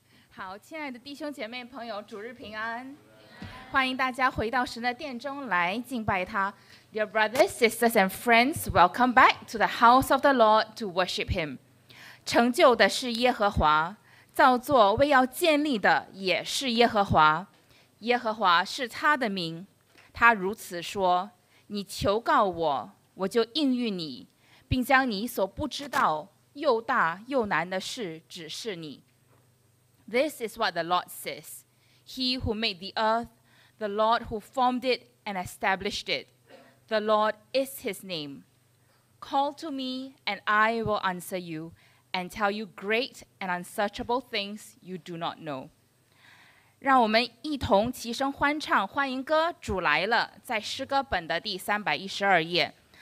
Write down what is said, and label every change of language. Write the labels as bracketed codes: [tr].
[zh] 好，亲爱的弟兄姐妹朋友，主日平安，欢迎大家回到神的殿中来敬拜他。 [en] Dear brothers, sisters and friends, welcome back to the house of the Lord to worship him. [zh] 成就的是耶和华，造作为要建立的也是耶和华，耶和华是他的名。他如此说，你求告我，我就应允你，并将你所不知道又大又难的事指示你。 [en] This is what the Lord says. He who made the earth, the Lord who formed it and established it, the Lord is his name. Call to me and I will answer you and tell you great and unsearchable things you do not know. [zh] 让我们一同齐声欢唱欢迎歌《主来了》，在诗歌本的第312页。